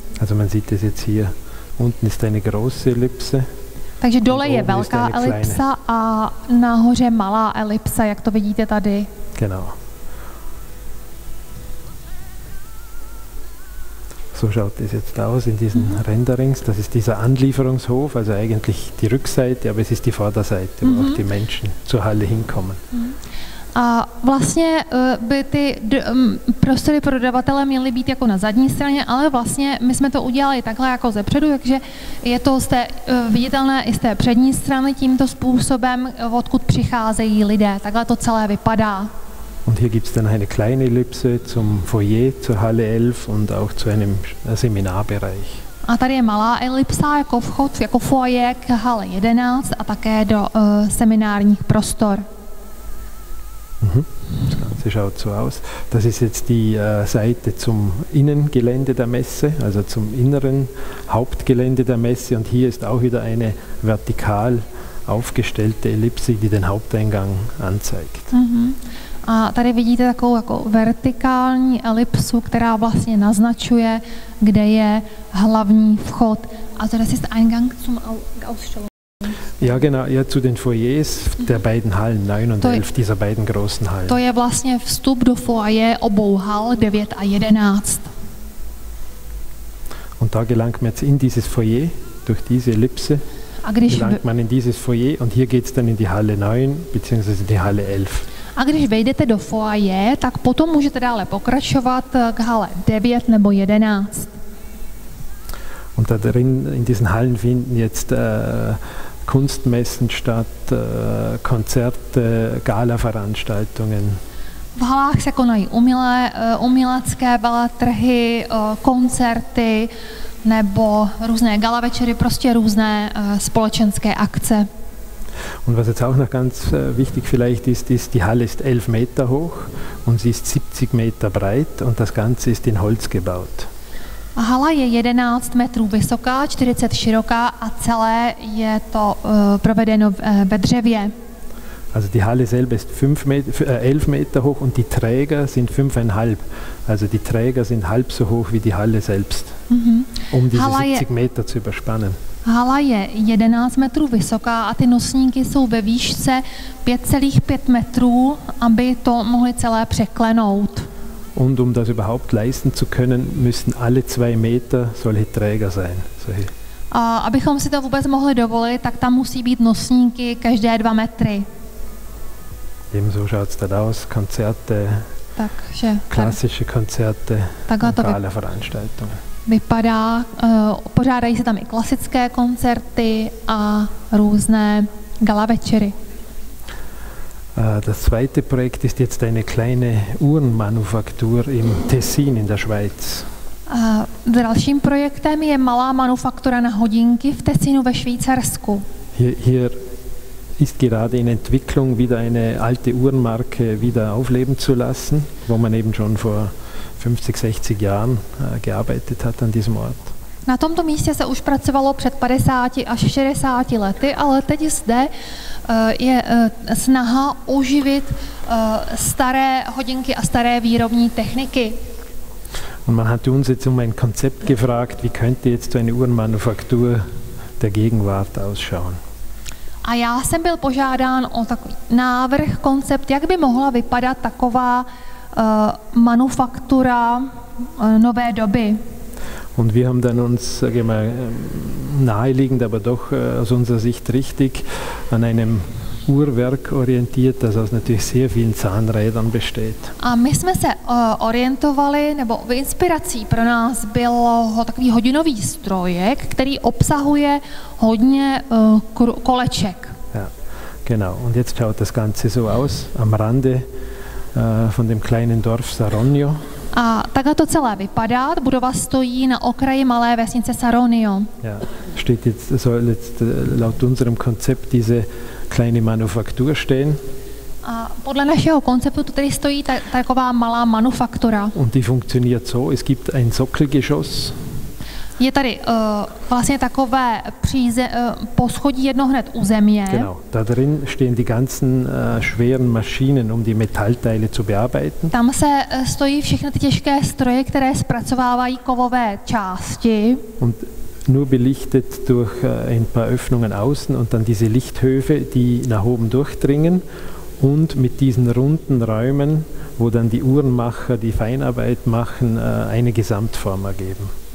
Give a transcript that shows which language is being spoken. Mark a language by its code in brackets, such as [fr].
[de] Also man sieht das jetzt hier, unten ist eine große Ellipse. [cs] Takže dole je velká elipsa a nahoře malá elipsa, jak to vidíte tady. [de] Genau. So schaut es jetzt aus in diesen Renderings. Das ist dieser Anlieferungshof, also eigentlich die Rückseite, aber es ist die Vorderseite, wo auch die Menschen zur Halle hinkommen. [cs] A vlastně by ty prostory pro dodavatele měly být jako na zadní straně, ale vlastně my jsme to udělali takhle jako zepředu, takže je to z té viditelné i z té přední strany tímto způsobem, odkud přicházejí lidé. Takhle to celé vypadá. [de] Und hier gibt es dann eine kleine Ellipse zum Foyer, zur Halle 11 und auch zu einem Seminarbereich. [cs] A tady je malá elipsa jako vchod, jako foyer k Halle 11 a také do seminárních prostor. [de] Das Ganze schaut so aus. Das ist jetzt die Seite zum Innengelände der Messe, also zum inneren Hauptgelände der Messe. Und hier ist auch wieder eine vertikal aufgestellte Ellipse, die den Haupteingang anzeigt. [cs] A tady vidíte takovou jako vertikální elipsu, která vlastně naznačuje, kde je hlavní vchod. [de] Also das ist Eingang zum Ausstellung. Ja, genau, ja, zu den Foyers der beiden Hallen, 9 und 11, dieser beiden großen Hallen. [cs] To je vlastně vstup do foyer obou hal, 9 a 11. [de] Und da gelangt man jetzt in dieses Foyer, durch diese Ellipse, [cs] a když [de] gelangt man in dieses Foyer und hier geht es dann in die Halle 9, beziehungsweise die Halle 11. [cs] A když vejdete do foyer, tak potom můžete dále pokračovat k hale 9 nebo 11. [de] Und da drin in diesen Hallen finden jetzt Kunstmessen statt, Konzerte, Galaveranstaltungen. [cs] V halách se konají umělecké veletrhy, koncerty nebo různé gala večery, prostě různé společenské akce. [de] Und was jetzt auch noch ganz wichtig vielleicht ist, ist, die Halle ist 11 Meter hoch und sie ist 70 Meter breit und das Ganze ist in Holz gebaut. [cs] A hala je 11 metrů vysoká, 40 široká a celé je to provedeno ve dřevě. [de] Also die Halle selber ist 11 Meter hoch und die Träger sind 5,5. Also die Träger sind halb so hoch wie die Halle selbst, um diese 70 Meter zu überspannen. [cs] Hala je 11 metrů vysoká a ty nosníky jsou ve výšce 5,5 metrů, aby to mohli celé překlenout. [de] Und um das überhaupt leisten zu können, müssen alle 2 Meter solche Träger sein. [cs] A abychom si to vůbec mohli dovolit, tak tam musí být nosníky každé 2 metry. [de] Ebenso schaut es dort aus, Konzerte, [cs] takže, [de] klassische Konzerte, lokale Veranstaltungen. [cs] Vypadá, pořádají se tam i klasické koncerty a různé gala večery. [de] Das zweite Projekt ist jetzt eine kleine Uhrenmanufaktur im Tessin in der Schweiz. [cs] Dalším projektem je malá manufaktura na hodinky v Tessinu ve Švýcarsku. [de] Hier ist gerade in Entwicklung, wieder eine alte Uhrenmarke wieder aufleben zu lassen, wo man eben schon vor 50, 60 Jahren gearbeitet hat an diesem Ort. [cs] Na tomto místě se už pracovalo před 50 až 60 lety, ale teď zde je snaha oživit staré hodinky a staré výrobní techniky. [de] Und man hat uns jetzt um ein Konzept gefragt, wie könnte jetzt so eine Uhrenmanufaktur der Gegenwart ausschauen. [cs] A já jsem byl požádán o takový návrh, koncept, jak by mohla vypadat taková manufaktura nové doby. [de] Und wir haben dann uns, sage ich mal, naheliegend, aber doch aus unserer Sicht richtig, an einem Uhrwerk orientiert, das aus natürlich sehr vielen Zahnrädern besteht. [cs] A my jsme se orientovali, nebo inspirací pro nás byl takový hodinový strojek, který obsahuje hodně koleček. [de] Ja, genau. Und jetzt schaut das Ganze so aus, am Rande von dem kleinen Dorf Saronio. [cs] A takhle to celé vypadá. Budova stojí na okraji malé vesnice Saronio. [de] Ja, steht jetzt, soll jetzt laut unserem Konzept diese kleine Manufaktur stehen. [cs] A podle našeho konceptu to tady stojí taková malá manufaktura. [de] Und die funktioniert so, es gibt ein Sockelgeschoss. [cs] Je tady vlastně takové poschodí jedno hned u země. [de] Genau, da drin stehen die ganzen schweren Maschinen, um die Metallteile zu bearbeiten. [cs] Tam se stojí všechny ty těžké stroje, které zpracovávají kovové části. [de] Und nur belichtet durch ein paar Öffnungen außen und dann diese Lichthöfe, die nach oben durchdringen. Und mit diesen runden Räumen, wo dann die Uhrenmacher die Feinarbeit machen, eine Gesamtform ergeben.